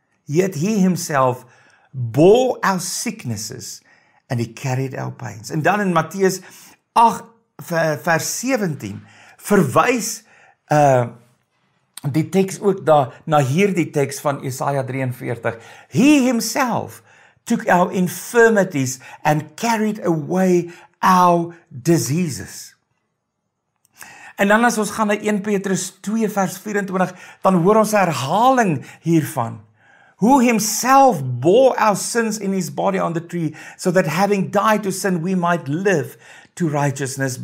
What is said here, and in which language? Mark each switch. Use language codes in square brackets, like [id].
[en] Yet he himself bore our sicknesses and he carried our pains. En dan in Matteus 8 [af] vers 17 verwys die teks ook daar na hierdie teks van Jesaja 43. [en] He himself took our infirmities and carried away our diseases. [af] En dan as ons gaan na 1 Petrus 2 vers 24, dan hoor ons 'n herhaling hiervan. [en] Who himself bore our sins in his body on the tree, so that having died to sin, we might live to righteousness.